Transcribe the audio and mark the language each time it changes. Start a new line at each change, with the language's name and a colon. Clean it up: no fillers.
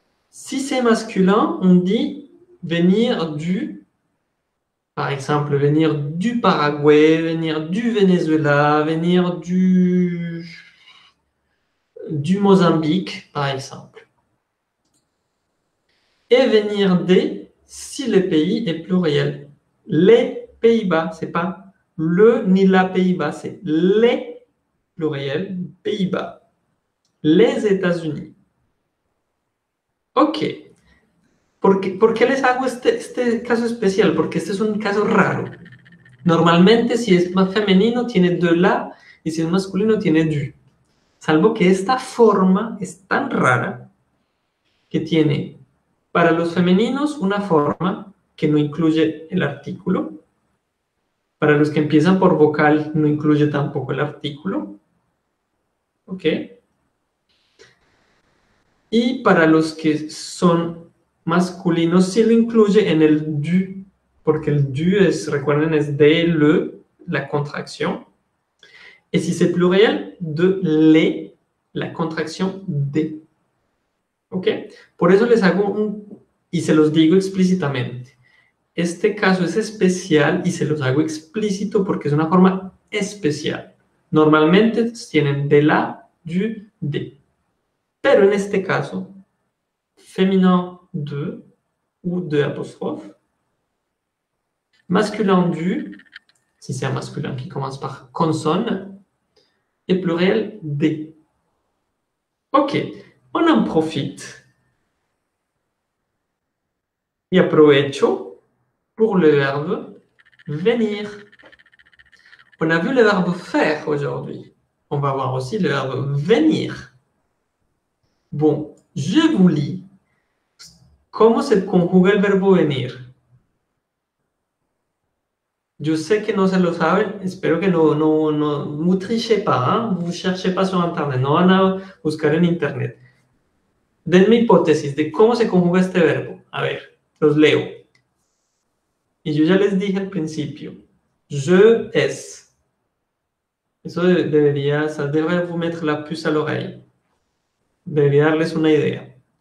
French: Si c'est masculin, on dit venir du, par exemple, venir du Paraguay, venir du Venezuela, venir du Mozambique, par exemple. Et venir des, si le pays est pluriel. Les Pays-Bas, c'est pas le ni la Pays-Bas, c'est les pluriel, Pays-Bas. Les États-Unis. Ok.
Spanish: ¿Por qué les hago este caso especial? Porque este es un caso raro. Normalmente, si es más femenino, tiene de la, y si es masculino, tiene du. Salvo que esta forma es tan rara que tiene para los femeninos una forma que no incluye el artículo. Para los que empiezan por vocal, no incluye tampoco el artículo. Ok. Y para los que son masculino sí lo incluye en el du, porque el du es, recuerden, es de, le, la contracción. Y si es plural, de, le, la contracción de. ¿Ok? Por eso les hago un, y se los digo explícitamente. Este caso es especial y se los hago explícito porque es una forma especial. Normalmente tienen de la, du, de. Pero en este caso,
French: féminin, de ou de apostrophe, masculin du, si c'est un masculin qui commence par consonne, et pluriel des. Ok, on en profite.
Spanish: Y aprovecho
French: pour le verbe venir. On a vu le verbe faire aujourd'hui. On va voir aussi le verbe venir. Bon, je vous lis.
Spanish: ¿Cómo se conjuga el verbo venir? Yo sé que no se lo saben, espero que no
French: mutrichez pas, hein? Vous cherchez pas sur internet,
Spanish: no van a buscar en internet. Denme hipótesis de cómo se conjuga este verbo. A ver, los leo. Y yo ya les dije al principio, je es. Eso debería, o sea, debería
French: vous mettre la puce à l'oreille.
Spanish: Debería darles una idea.